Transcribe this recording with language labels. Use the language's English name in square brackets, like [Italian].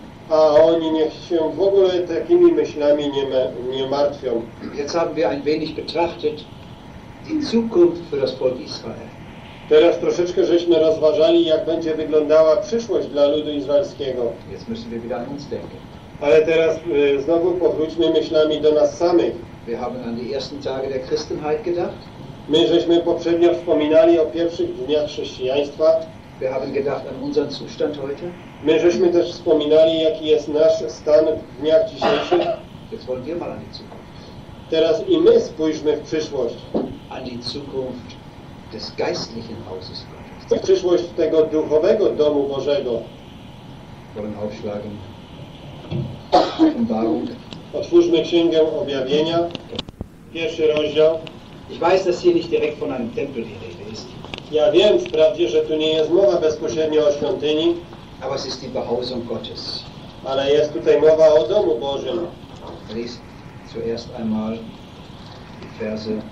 [Polish] A oni niech się w ogóle takimi myślami nie martwią. [German] Jetzt haben wir ein wenig betrachtet die Zukunft für das Volk Israel. [Polish] Teraz troszeczkę żeśmy rozważali, jak będzie wyglądała przyszłość dla ludu izraelskiego. [German] Jetzt müssen wir wieder an uns denken. [Polish] Ale teraz znowu powróćmy myślami do nas samych. [German] Wir haben an die ersten Tage der Christenheit gedacht. [Polish] My żeśmy poprzednio wspominali o pierwszych dniach chrześcijaństwa. [German] Wir haben gedacht an unseren Zustand heute. [Polish] My żeśmy też wspominali, jaki jest nasz stan w dniach dzisiejszych. [German] Jetzt wollen wir mal an die Zukunft. [Polish] Teraz i my spójrzmy w przyszłość. [German] An die Zukunft des geistlichen Hauses Gottes. [Polish] W przyszłość tego duchowego domu Bożego. [German] Wollen aufschlagen. Offenbarung. [Polish] Otwórzmy Księgę Objawienia. Pierwszy rozdział. [German] Ich weiß, dass hier nicht direkt von einem Tempel die Rede ist. [Polish] Ja wiem wprawdzie, że tu nie jest mowa bezpośrednio o świątyni. [German] Aber es ist die Behausung Gottes. [Polish] Ale jest tutaj mowa o domu Bożym. [German] Lies zuerst einmal die Verse